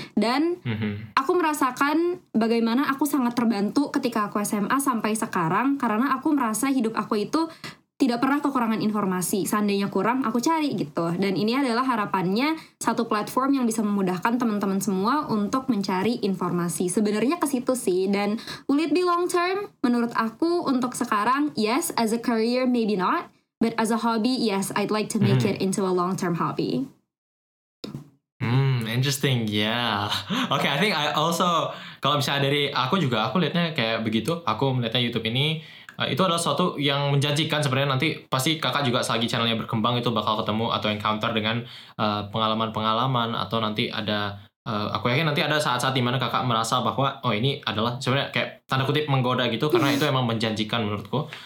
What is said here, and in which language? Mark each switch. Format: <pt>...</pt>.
<id>Dan aku merasakan bagaimana aku sangat terbantu ketika aku SMA sampai sekarang, karena aku merasa hidup aku itu tidak pernah kekurangan informasi. Seandainya kurang, aku cari gitu. Dan ini adalah harapannya satu platform yang bisa memudahkan teman-teman semua untuk mencari informasi. Sebenarnya ke situ sih. Dan</id> <en>will it be long term?</en> <id>Menurut aku untuk sekarang,</id> <en>yes. As a career, maybe not. But as a hobby, yes, I'd like to make it into a long-term hobby. Interesting, yeah. Okay, I think I also,</en> <id>kalau misalnya dari aku juga, aku liatnya kayak begitu. Aku melihatnya YouTube ini, itu adalah suatu yang menjanjikan sebenarnya. Nanti pasti kakak juga selagi channelnya berkembang itu bakal ketemu atau encounter dengan pengalaman-pengalaman, atau nanti ada aku yakin nanti ada saat-saat dimana kakak merasa bahwa oh ini adalah sebenarnya kayak tanda kutip menggoda gitu, karena itu emang menjanjikan menurutku.</id>